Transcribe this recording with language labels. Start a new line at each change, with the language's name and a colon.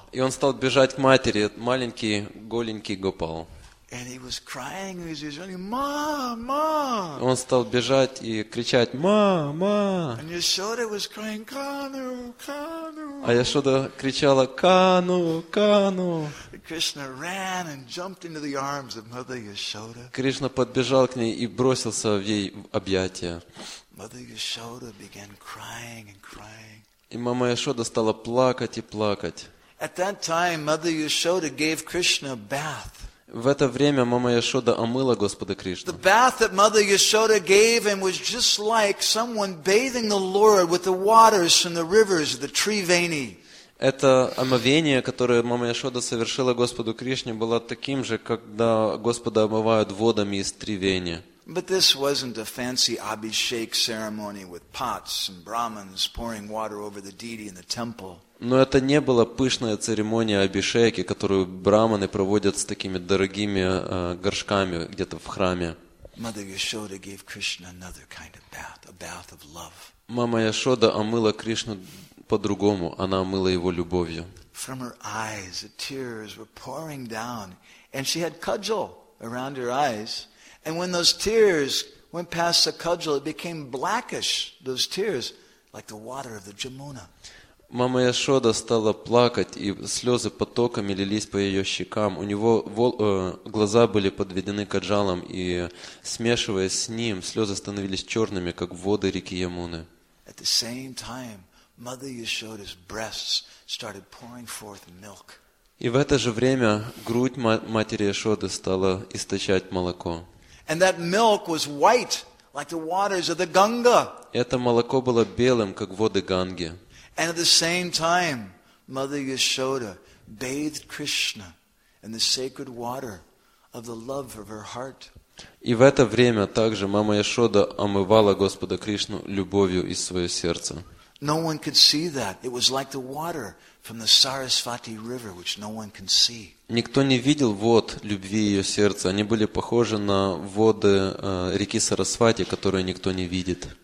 Russian: И он стал бежать к матери, маленький голенький Гопал.
English: And he was crying as he was running, "Ma, ma!"
Russian: Он стал бежать и кричать: "Ма, ма!"
English: And Yashoda was crying, "Kanu, Kanu!"
Russian: А Яшода кричала: "Kanu, Kanu!"
English: Krishna ran and jumped into the arms of Mother Yashoda.
Russian: Кришна подбежал к ней и бросился в ей объятия.
English: Mother Yashoda began crying and crying.
Russian: И мама Яшода стала плакать и плакать.
English: At that time, Mother Yashoda gave Krishna a bath.
Russian: В это время мама Яшода омыла Господа Кришну.
English: The bath that Mother Yashoda gave him was just like someone bathing the Lord with the waters from the rivers of the Triveni.
Russian: Это омовение, которое мама Яшода совершила Господу Кришне, было таким же, когда Господа омывают водами из Тривени.
English: But this wasn't a fancy abhishek ceremony with pots and brahmins pouring water over the deity in the temple.
Russian: Но это не была пышная церемония абишеки, которую браманы проводят с такими дорогими горшками где-то в храме.
English: Mother Yashoda gave Krishna another kind of bath, a bath of love.
Russian: Мама Яшода омыла Кришну по-другому, она омыла его любовью.
English: from her eyes, the tears were pouring down, and she had cudgel around her eyes. And when those tears went past the cudgel, it became blackish, those tears, like the water of the Jamuna.
Russian: Мама Яшода стала плакать, и слезы потоками лились по ее щекам. У него глаза были подведены каджалом, и, смешиваясь с ним, слезы становились черными, как воды реки Ямуны.
English: At the same time, Mother Yashoda's breasts started pouring forth milk.
Russian: И в это же время грудь матери Яшоды стала источать молоко.
English: And that milk was white, like the waters of the Ganga.
Russian: Это молоко было белым, как воды Ганги.
English: And at the same time, Mother Yashoda bathed Krishna in the sacred water of the love of her heart.
Russian: И в это время также мама Яшода омывала Господа Кришну любовью из своего сердца.
English: No one could see that. It was like the water from the Sarasvati River, which no one can see.
Russian: Никто не видел вод любви ее сердца. Они были похожи на воды реки Сарасвати, которую никто не видит.